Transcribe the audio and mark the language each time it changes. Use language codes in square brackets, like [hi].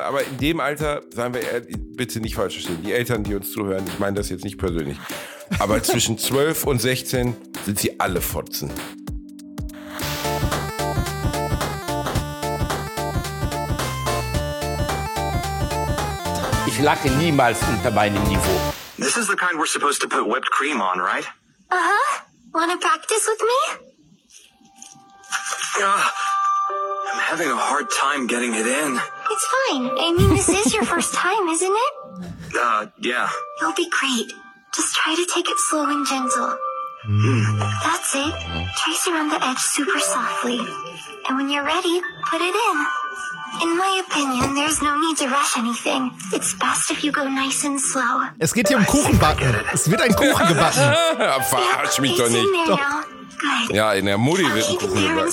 [de] Aber in dem Alter, seien wir bitte nicht falsch verstehen, die Eltern, die uns zuhören, ich meine das jetzt nicht persönlich, aber zwischen 12 und 16 sind sie alle Fotzen. Ich lache niemals unter meinem Niveau. [en] This is the kind we're supposed to put whipped cream on, right? Uh-huh. Wanna practice with me? I'm having a hard time getting it in. It's fine. I mean, this is your first time, isn't it? Yeah. You'll be great. Just try to take it slow and gentle. That's it. Trace around the edge super softly. And when you're ready, put it in. In my opinion, there's no need to rush anything. It's best if you go nice and slow. [de] Es geht hier um Kuchenbacken. Es wird ein Kuchen gebacken. Verarsch mich doch nicht. [en] Good. [de] Ja, in der Mutti wird ein Kuchen gebacken.